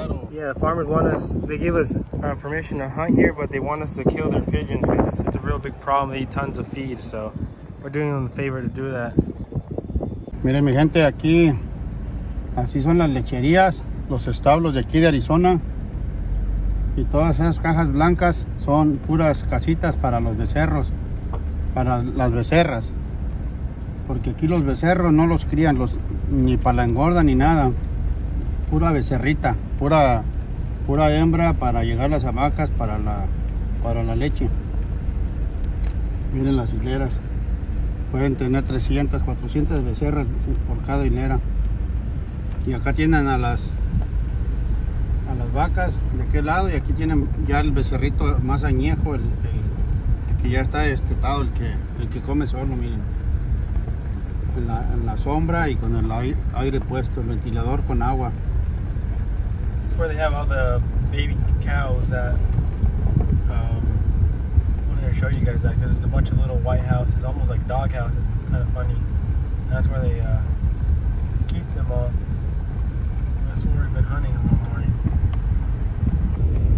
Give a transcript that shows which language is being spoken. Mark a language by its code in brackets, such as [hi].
[en] Yeah, the farmers want us, they give us permission to hunt here, but they want us to kill their pigeons because it's a real big problem. They eat tons of feed, so we're doing them a favor to do that. [es] Miren, mi gente, aquí así son las lecherías, los establos de aquí de Arizona, y todas esas cajas blancas son puras casitas para los becerros, para las becerras, porque aquí los becerros no los crían los ni para la engorda ni nada. Pura becerrita, pura hembra para llegar las vacas para la leche. Miren las hileras. Pueden tener 300, 400 becerras por cada hilera. Y acá tienen a las vacas de aquel lado, y aquí tienen ya el becerrito más añejo, el que ya está destetado, el que come solo, miren. En la sombra y con el aire puesto, el ventilador con agua. [en] Where they have all the baby cows that I wanted to show you guys that, because there's a bunch of little white houses, almost like dog houses. It's kind of funny. And that's where they keep them all. That's where we've been hunting in the morning.